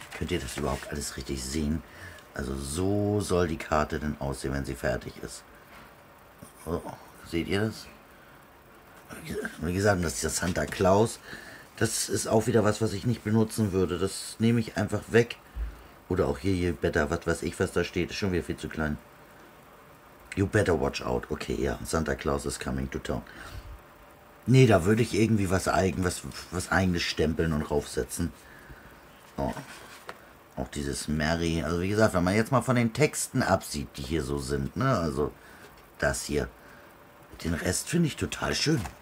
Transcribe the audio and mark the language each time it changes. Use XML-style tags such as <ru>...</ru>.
<de>Könnt ihr das überhaupt alles richtig sehen? Also so soll die Karte denn aussehen, wenn sie fertig ist. Oh, seht ihr das? Wie gesagt, das ist der Santa Claus. Das ist auch wieder was ich nicht benutzen würde. Das nehme ich einfach weg. Oder auch hier,</de> <en>you better,</en> <de>was weiß ich, was da steht. Ist schon wieder viel zu klein.</de> <en>You better watch out. Okay, ja, Santa Claus is coming to town.</en> <de>Nee, da würde ich irgendwie was Eigenes stempeln und raufsetzen. Oh. Auch dieses Mary. Also wie gesagt, wenn man jetzt mal von den Texten absieht, die hier so sind, ne? Also das hier. Den Rest finde ich total schön.</de>